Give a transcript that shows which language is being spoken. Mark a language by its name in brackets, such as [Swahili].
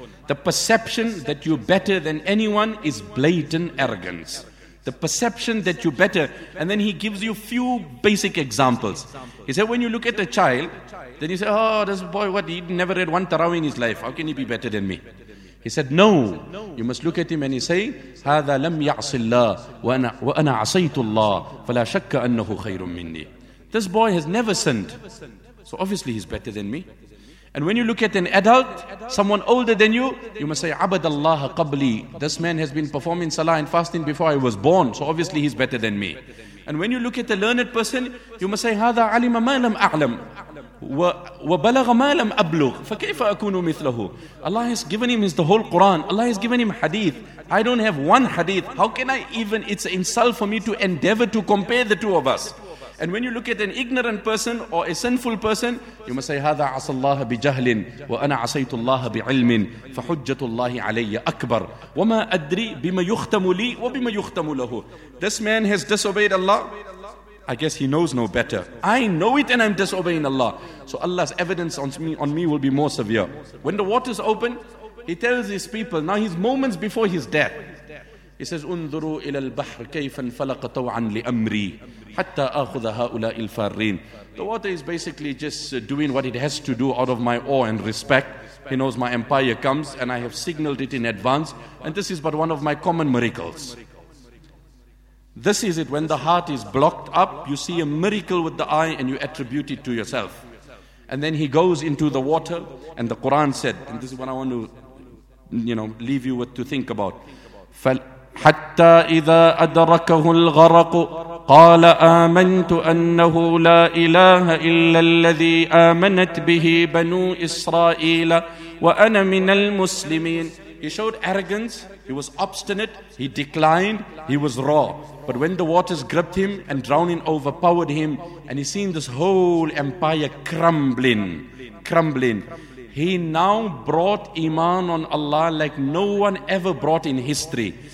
[English] The perception that you're better than anyone is blatant arrogance. The perception that you're better, and then he gives you few basic examples. He said, when you look at a child, then you say, oh, this boy, what, he never read one tarawih in his life. How can he be better than me? He said, no, you must look at him and he say, [Arabic] هَذَا لَمْ يَعْصِ اللَّهِ وَأَنَا عَصَيْتُ اللَّهِ فَلَا شَكَّ أَنَّهُ خَيْرٌ مِّنِّي. [English] This boy has never sinned, so obviously he's better than me. And when you look at an adult, someone older than you, you must say, [Arabic] عَبَدَ اللَّهَ قَبْلِي. [English] This man has been performing salah and fasting before I was born, so obviously he's better than me. And when you look at a learned person, you must say, [Arabic] هَذَا عَلِمَ مَا لَمْ أَعْلَمْ وَبَلَغَ مَا لَمْ أَبْلُغُ فَكَيْفَ أَكُونُ مِثْلَهُ. [English] Allah has given him the whole Quran. Allah has given him hadith. I don't have one hadith. How can I even, it's an insult for me to endeavor to compare the two of us. And when you look at an ignorant person or a sinful person, you must say, [Arabic] هَذَا عَصَى اللَّهَ بِجَهْلٍ وَأَنَا عَصَيْتُ اللَّهَ بِعِلْمٍ فَحُجَّةُ اللَّهِ عَلَيَّ أَكْبَرُ وَمَا أَدْرِي بِمَا يُخْتَمُ لِي وَبِمَا يُخْتَمُ لَهُ. [English] This man has disobeyed Allah. I guess he knows no better. I know it and I'm disobeying Allah. So Allah's evidence on me will be more severe. When the waters open, he tells his people, now his moments before his death, he says, [Arabic] أُنْذُرُوا إِلَى الْبَحْرِ كَيْفَ انْفَلَقَ طَوْعًا لِأَمْرِي حَتَّى أَخُذَ هَؤُلَاءِ الْفَارِّينَ. [English] The water is basically just doing what it has to do out of my awe and respect. He knows my empire comes and I have signaled it in advance. And this is but one of my common miracles. This is it, when the heart is blocked up, you see a miracle with the eye and you attribute it to yourself. And then he goes into the water and the Quran said, and this is what I want to, you know, leave you with to think about. [Arabic] حتى إذا أدركه الغرق قال آمنت أنه لا إله إلا الذي آمنت به بنو إسرائيل وأنا من المسلمين. [English] He showed arrogance, he was obstinate, he declined, he was raw. But when the waters gripped him and drowning overpowered him and he seen this whole empire crumbling, he now brought iman on Allah like no one ever brought in history.